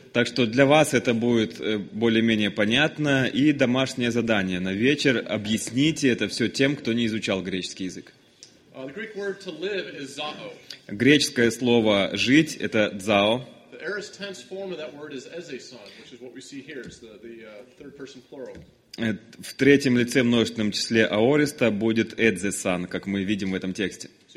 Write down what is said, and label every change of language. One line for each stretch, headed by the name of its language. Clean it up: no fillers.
Russian: Так что для вас это будет более-менее понятно, и домашнее задание на вечер объясните это все тем, кто не изучал греческий язык.
English: The Greek word to live is zao.
Russian: Греческое слово жить это zao.
English: The aorist tense form of that word is eisen, which is what we see here. It's the third person plural.
Russian: В третьем лице множественном числе аориста будет эдзесан, как мы видим в этом тексте.